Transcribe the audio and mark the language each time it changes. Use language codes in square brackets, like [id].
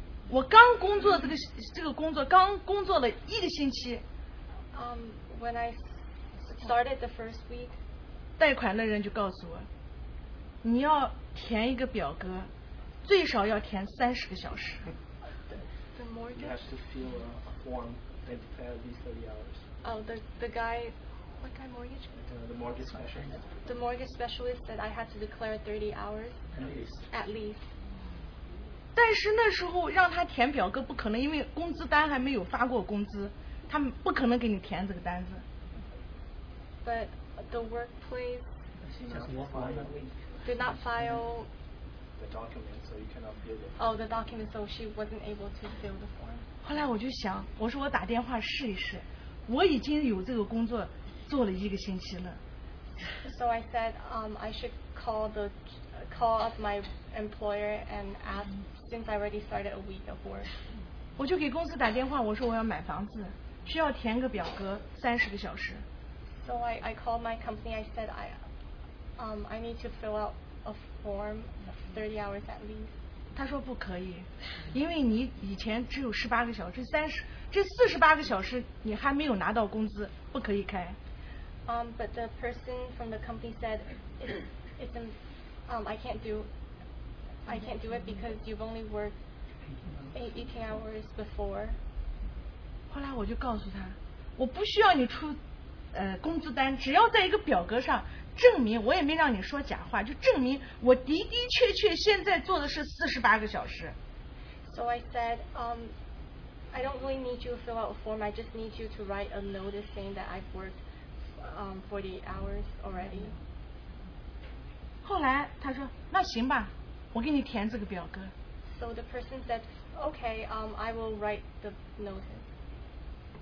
[zh] 我刚工作这个工作刚工作了一个星期。 [en] When I started the first week. [zh] 贷款的人就告诉我，你要填一个表格，最少要填30个小时。 [en] The mortgage. You have to fill a form that declares these 30 hours. Oh, the guy What kind of mortgage? The mortgage specialist. The mortgage specialist said I had to declare 30 hours. At least. [zh] 但是那时候让他填表格不可能，因为工资单还没有发过工资，他们不可能给你填这个单子。 [en] But the workplace did not file the document, so you cannot fill it. Oh, the document, so she wasn't able to fill the form. [zh] 后来我就想，我说我打电话试一试，我已经有这个工作做了一个星期了。 [en] So I said, I should call up my employer and ask. Since I already started a week of work, [zh] 我就给公司打电话，我说我要买房子，需要填个表格，30个小时。 [en] So I called my company. I said I need to fill out a form, 30 hours at least. [zh] 他说不可以，因为你以前只有18个小时，这48个小时你还没有拿到工资，不可以开。 [en] But the person from the company said I can't do it because you've only worked 18 hours before. [zh] 后来我就告诉他，我不需要你出工资单，只要在一个表格上证明，我也没让你说假话，就证明我的的确确现在做的是48个小时。 [en] So I said, I don't really need you to fill out a form. I just need you to write a notice saying that I've worked 40 hours already. [zh] 后来他说，那行吧。我给你填这个表格。 [en] So the person said, okay, I will write the notice.